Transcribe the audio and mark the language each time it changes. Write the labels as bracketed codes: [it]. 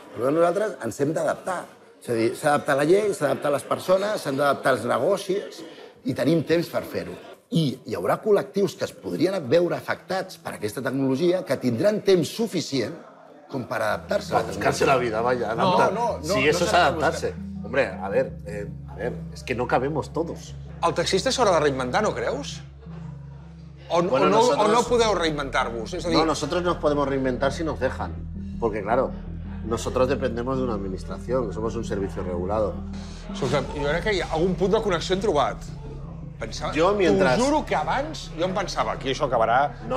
[ca] Per tant, nosaltres ens hem d'adaptar. És a dir, s'ha d'adaptar la llei, s'ha d'adaptar les persones, s'han d'adaptar els negocis, i tenim temps per fer-ho. I hi haurà col·lectius que es podrien veure afectats per aquesta tecnologia que tindran temps suficient com per adaptar-se. Per buscar-se la vida, [es] vaya. [ca] No. [es] Sí, eso es adaptarse. Hombre, a ver, es que no cabemos todos. [ca] El taxista s'haurà de reinventar, no creus? O no podeu reinventar-vos? [es] No, nosotros nos podemos reinventar si nos dejan. Porque, claro, nosotros dependemos de una administración, somos un servicio regulado. [ca] Escolta'm, jo crec que hi ha algun punt de connexió hem trobat. Pensava, jo, [es] mientras... [ca] T'ho juro que abans jo em pensava que això acabarà...